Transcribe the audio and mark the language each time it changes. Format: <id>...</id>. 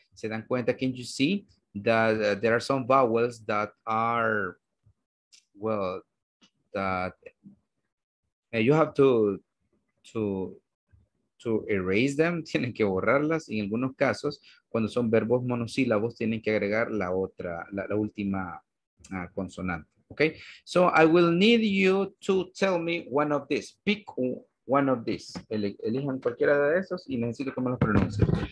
<es>Se dan cuenta,</es> <en>can you see that there are some vowels that are, well, that you have to erase them,</en> <es>tienen que borrarlas. En algunos casos, cuando son verbos monosílabos, tienen que agregar la otra, la última consonante.</es> <en>Okay, so I will need you to tell me one of these. Pick one of these.</en> <es>Elijan cualquiera de esos y necesito que me los pronuncie.</es>